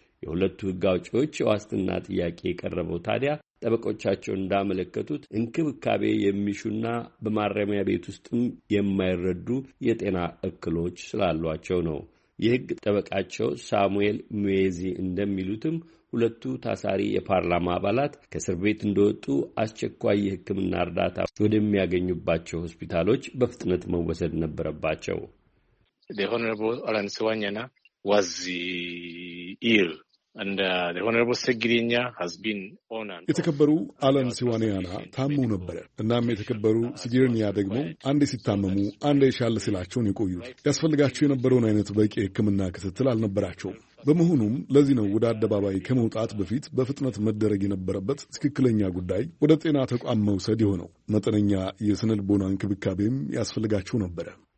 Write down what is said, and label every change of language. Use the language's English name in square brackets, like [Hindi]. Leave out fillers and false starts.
[Amharic] የሁለቱ ጋውጮች ዋስትና ጥያቄ ቀረበው ታዲያ ጠበቆቻቸው እንዳመለከቱት እንክብካቤ የሚሹና በማረሚያ ቤት ውስጥም የማይረዱ የጤና እክሎች ስላሏቸው ነው። የህግ ጠበቃቸው ሳሙኤል ሙዬዚ እንደሚሉትም ሁለቱ ታሳሪ የፓርላማ አባላት ከእስር ቤት እንደወጡ አስቸኳይ የህክምና እርዳታ ወደሚያገኙባቸው ሆስፒታሎች በፍጥነት መወሰድ ነበረባቸው። [English] The Honorable Alan Sewanyana was ill and the Honorable Segirinya has been on and [Amharic] የተከበሩ አለን ሲዋኒያና ታመሙ ነበር። እናም የተከበሩ ሲግሪኒያ ደግሞ አንዴ ሲታመሙ አንዴ ሻል ሲላቸው ይቆዩት ያስፈልጋቸው የነበረውን አይነት በቂ ህክምና ክትትል አልነበራቸው። በመሆኑም ለዚህ ነው ወደ አደባባይ ከመውጣት በፊት በፍጥነት መደረግ የነበረበት ትክክለኛ ጉዳይ ወደ ጤና ተቋም መውሰድ ይሆነው። መጠነኛ የስነልቦና እንክብካቤም ያስፈልጋቸው ነበር።